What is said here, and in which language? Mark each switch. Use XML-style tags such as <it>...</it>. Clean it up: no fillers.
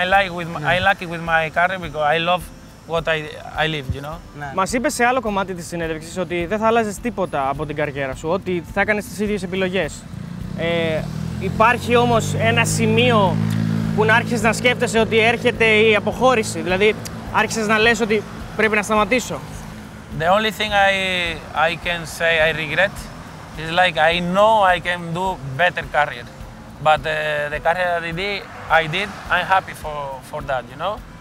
<en>I'm lucky with my career because I love what I live, you know.</en> <el>Μας είπες σε άλλο κομμάτι της συνέντευξης ότι δεν θα άλλαζες τίποτα από την καριέρα σου, ότι θα έκανες τις ίδιες επιλογές. Υπάρχει όμως ένα σημείο που να άρχισες να σκέφτεσαι ότι έρχεται η αποχώρηση, δηλαδή άρχισες να λες ότι πρέπει να σταματήσω.</el> <en>The only thing I can say I regret is like I know I can do better career, but the career that I did, I'm happy for that, you know.</en>